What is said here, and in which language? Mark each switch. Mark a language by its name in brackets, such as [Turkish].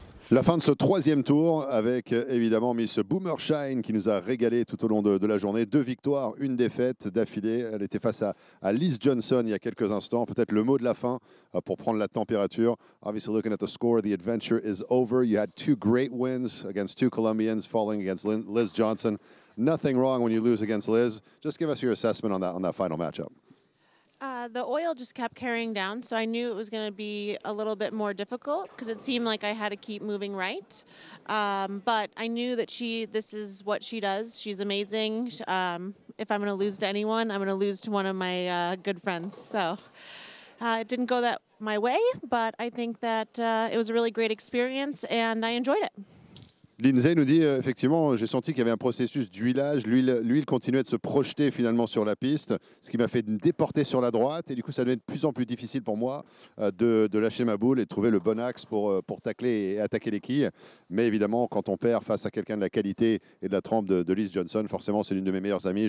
[French] La fin de ce troisième tour avec évidemment Miss Boomershine qui nous a régalé tout au long de la journée. 2 victoires, 1 défaite d'affilée. Elle était face à Liz Johnson il y a quelques instants. Peut-être le mot de la fin pour prendre la température. [English] Obviously looking at the score, the adventure is over. You had 2 great wins against 2 Colombians, falling against Liz Johnson. Nothing wrong when you lose against Liz. Just give us your assessment on that final matchup. The oil just kept carrying down, so I knew it was going to be a little bit more difficult because it seemed like I had to keep moving right. But I knew that this is what she does. She's amazing. If I'm going to lose to anyone, I'm going to lose to one of my good friends. So it didn't go that my way, but I think that it was a really great experience, and I enjoyed it. [French] Lindsay nous dit, effectivement, j'ai senti qu'il y avait un processus d'huilage. L'huile continuait de se projeter finalement sur la piste, ce qui m'a fait me déporter sur la droite. Et du coup, ça devenait de plus en plus difficile pour moi de lâcher ma boule et de trouver le bon axe pour tacler et attaquer les quilles. Mais évidemment, quand on perd face à quelqu'un de la qualité et de la trempe de Liz Johnson, forcément, c'est l'une de mes meilleures amies.